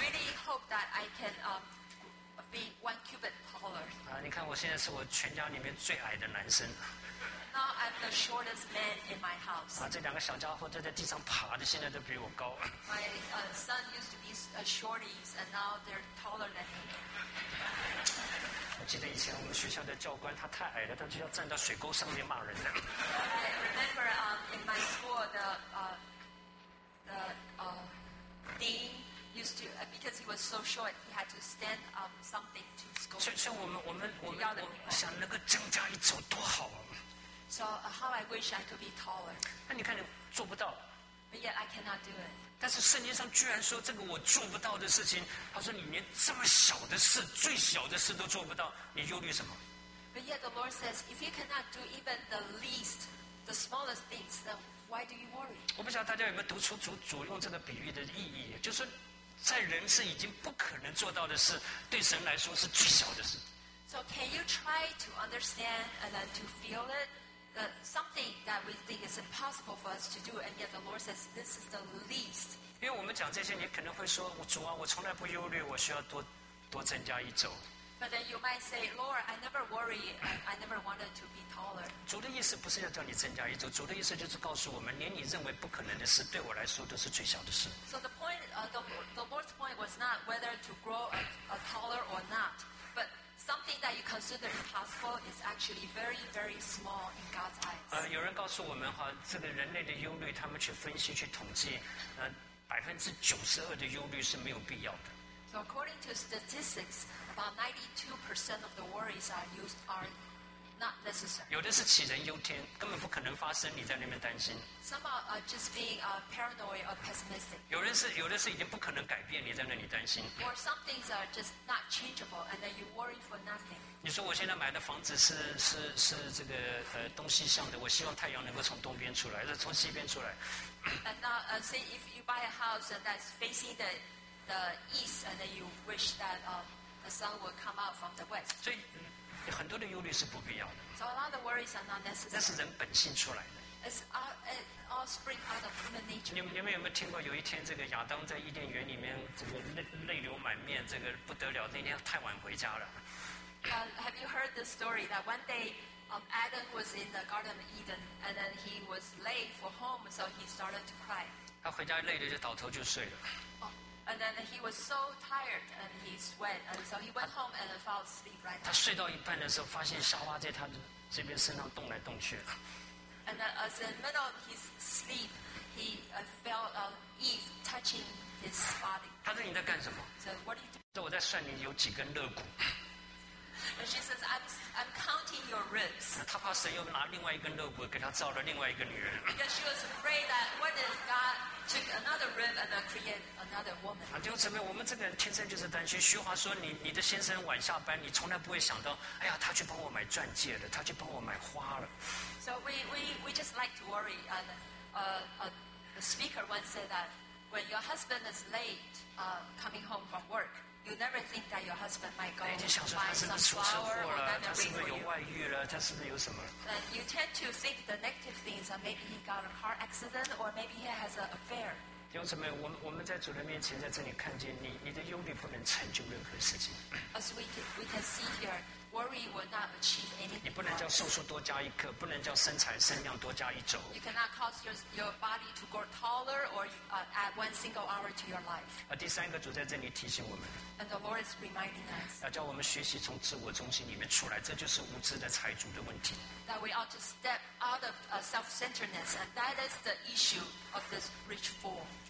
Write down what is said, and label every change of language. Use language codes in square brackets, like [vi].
[en] I really hope that I can be one cubit taller. [zh] 啊，你看我现在是我全家里面最矮的男生。 [en] Now I'm the shortest man in my house. [zh] 啊，这两个小家伙都在地上爬的，现在都比我高。 [en] My son used to be a shorties, and now they're taller than me. [zh] 我记得以前我们学校的教官，他太矮了，他就要站到水沟上面骂人了。 [en] I remember in my school the dean. Used to because he was so short, he had to stand up something to scold. [zh] 像我们想能够增加一肘多好啊 [en] So how I wish I could be taller. [zh] 那你看你做不到 [en] But yet I cannot do it. [zh] 但是圣经上居然说这个我做不到的事情，他说你连这么小的事，最小的事都做不到，你忧虑什么 [en] ？But yet the Lord says, if you cannot do even the least, the smallest things, then why do you worry? [zh] 我不晓得大家有没有读出主用这个比喻的意义，就是说。在人是已经不可能做到的事，对神来说是最小的事。 [en] So can you try to understand and then to feel it? That something that we think is impossible for us to do, and yet the Lord says this is the least. [zh] 因为我们讲这些，你可能会说，主啊，我从来不忧虑，我需要多增加一肘。 [en] But then you might say, Lord, I never worry, I never wanted to be taller. [zh] 主的意思不是要叫你增加一肘，主的意思就是告诉我们，连你认为不可能的事，对我来说都是最小的事。 [en] So the point, the Lord's point was not whether to grow a taller or not, but something that you consider impossible is actually very, very small in God's eyes. [zh] 有人告诉我们哈，这个人类的忧虑，他们去分析去统计，92%的忧虑是没有必要的。 [en] So according to statistics, about 92% of the worries are not necessary. [zh] 有的是杞人忧天，根本不可能发生，你在那边担心。 [en] Some are just being paranoid or pessimistic. [zh] 有的是已经不可能改变，你在那里担心。 [en] Or some things are just not changeable, and then you worry for nothing. [zh] 你说我现在买的房子是这个东西向的，我希望太阳能够从东边出来，是从西边出来。 [en] And now, say if you buy a house that's facing the east, and then you wish that the sun will come out from the west. [zh] 所以很多的忧虑是不必要的。 [en] So a lot of the worries are not necessary. [zh] 那是人本性出来的。 [en] It all spring out of human nature. [zh] 你们有没有听过？有一天，这个亚当在伊甸园里面，这个泪流满面，这个不得了。那天太晚回家了。 [en] Have you heard the story that one day Adam was in the Garden of Eden, and then he was late for home, so he started to cry. [zh] 他回家累了就倒头就睡了。 [en] And then he was so tired, and he sweat, and so he went home and fell asleep right. [zh] 他睡到一半的时候，发现夏娃在他的这边身上动来动去。 [en] And then, as in the middle of his sleep, he felt Eve touching his body. [zh] 他说你在干什么 [en] ？So what are you doing? [zh] 说我在算你有几根肋骨。 [en] And she says, I'm counting your ribs. [zh] 他怕神又拿另外一根肋骨给他造了另外一个女人。 [en] Because she was afraid that what if God took another rib and created another woman? [zh] 弟兄姊妹，我们这个人天生就是担心。俗话说，你的先生晚下班，你从来不会想到，哎呀，他去帮我买钻戒了，他去帮我买花了。 [en] So we just like to worry. And a speaker once said that when your husband is late coming home from work. You never think that your husband might go and buy some flower or buy some ring. You tend to think the negative things are maybe he got a car accident or maybe he has an affair. [zh] 弟兄姊妹，我们在主的面前在这里看见你的忧虑不能成就任何事情。 [en] As we can see here, worry will not achieve anything. [zh] 你不能叫瘦瘦多加一克，不能叫身材身量多加一轴。 [en] You cannot cause your body to grow taller or add one single hour to your life. [zh] 第三个主在这里提醒我们。 [en] And the Lord is reminding us. [zh] 要叫我们学习从自我中心里面出来，这就是无知的财主的问题。 [en] That we ought to step out of self-centeredness, and that is the issue of this rich fool.